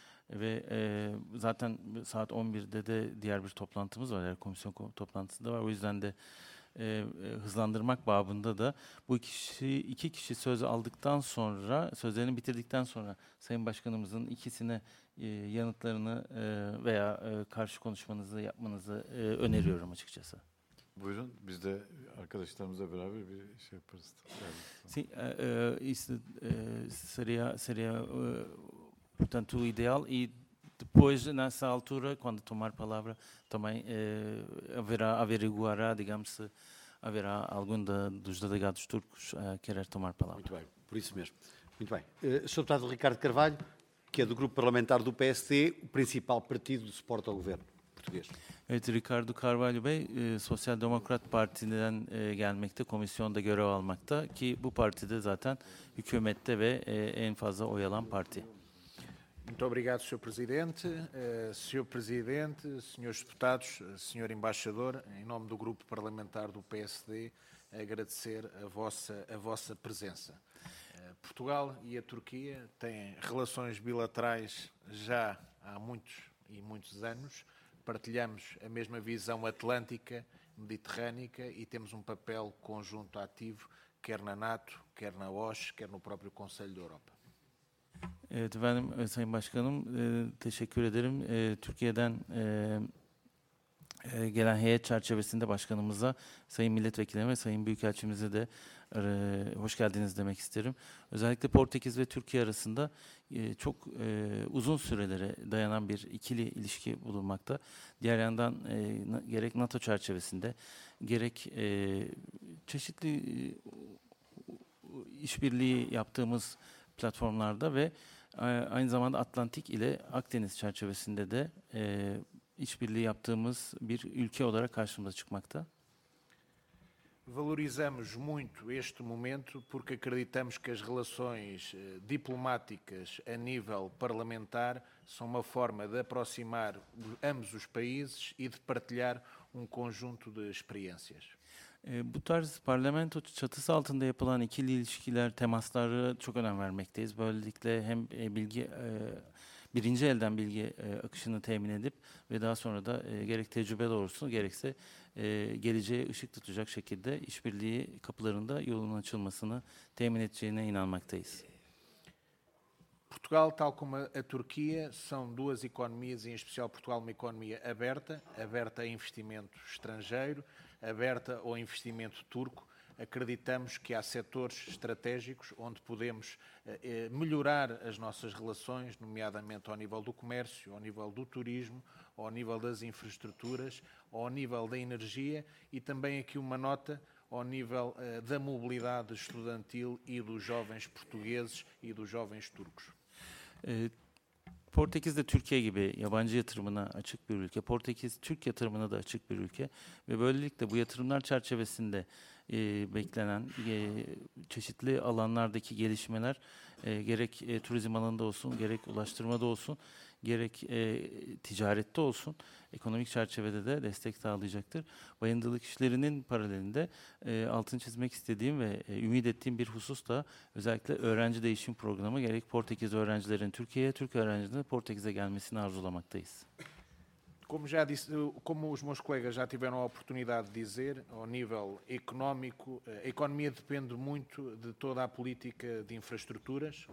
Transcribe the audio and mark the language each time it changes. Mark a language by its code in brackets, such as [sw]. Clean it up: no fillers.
[tr] Ve zaten saat 11'de de diğer bir toplantımız var, yani komisyon toplantısı da var. O yüzden de hızlandırmak babında da bu iki kişi söz aldıktan sonra, sözlerini bitirdikten sonra Sayın Başkanımızın ikisine yanıtlarını veya karşı konuşmanızı yapmanızı öneriyorum açıkçası. Buyurun, biz de arkadaşlarımızla beraber bir şey yaparız. [pt] Seria portanto o ideal e depois nessa altura, quando tomar palavra, também averiguará, digamos, se haverá algum dos delegados turcos a querer tomar palavra. Muito bem, por isso mesmo. Muito bem. Sr. Deputado Ricardo Carvalho, que é do grupo parlamentar do PSD, o principal partido de suporte ao governo português. [tr] Evet, Ricardo Carvalho Bey, Sosyal Demokrat Parti'den gelmekte, komisyonda görev almakta ki bu partide zaten hükümette ve en fazla oy alan parti. [pt] Muito obrigado, Sr. Presidente. Sr. Presidente, senhores deputados, senhor embaixador, em nome do grupo parlamentar do PSD, agradecer a vossa presença. Portugal e a Turquia têm relações bilaterais já há muitos e muitos anos. Partilhamos a mesma visão atlântica, mediterrânica e temos um papel conjunto ativo quer na NATO, quer na OSCE, quer no próprio Conselho da Europa. [tr] Evet, efendim, Sayın Başkanım, teşekkür ederim. Türkiye'den gelen heyet çerçevesinde başkanımıza, Sayın Milletvekili'ne ve Sayın Büyükelçimize de hoş geldiniz demek isterim. Özellikle Portekiz ve Türkiye arasında çok uzun sürelere dayanan bir ikili ilişki bulunmakta. Diğer yandan gerek NATO çerçevesinde, gerek çeşitli işbirliği yaptığımız platformlarda ve aynı zamanda Atlantik ile Akdeniz çerçevesinde de işbirliği yaptığımız bir ülke olarak karşımıza çıkmakta. [pt] Valorizamos muito este momento porque acreditamos que as relações diplomáticas a nível parlamentar são uma forma de aproximar ambos os países e de partilhar conjunto de experiências. [tr] Bu tarz parlamento çatısı altında yapılan ikili ilişkiler, temaslara çok önem vermekteyiz. Böylelikle hem bilgi birinci elden bilgi akışını temin edip ve daha sonra da gerek tecrübe doğrusu gerekse geleceğe ışık tutacak şekilde işbirliği kapılarında yolun açılmasını temin edeceğine inanmaktayız. [pt] Portugal, tal como a Turquia, são duas economias, em especial Portugal, uma economia aberta, aberta a investimento estrangeiro, aberta ao investimento turco. Acreditamos que há setores estratégicos onde podemos melhorar as nossas relações, nomeadamente ao nível do comércio, ao nível do turismo, ao nível das infraestruturas, ao nível da energia e também aqui uma nota ao nível da mobilidade estudantil e dos jovens portugueses e dos jovens turcos. [tr] Portekiz de Türkiye gibi yabancı yatırımına açık bir ülke. Portekiz Türk yatırımına da açık bir ülke ve böylelikle bu yatırımlar çerçevesinde beklenen çeşitli alanlardaki gelişmeler gerek turizm alanında olsun, gerek ulaştırmada olsun, gerek ticarette olsun, ekonomik çerçevede de destek sağlayacaktır. Bayındırlık işlerinin paralelinde altını çizmek istediğim ve ümit ettiğim bir husus da özellikle öğrenci değişim programı, gerek Portekiz öğrencilerin Türkiye'ye, Türk öğrencilerin Portekiz'e gelmesini arzulamaktayız. [pt] Como já disse, como os meus colegas já tiveram a oportunidade de dizer, ao nível económico, a economia depende muito de toda a política de infraestruturas.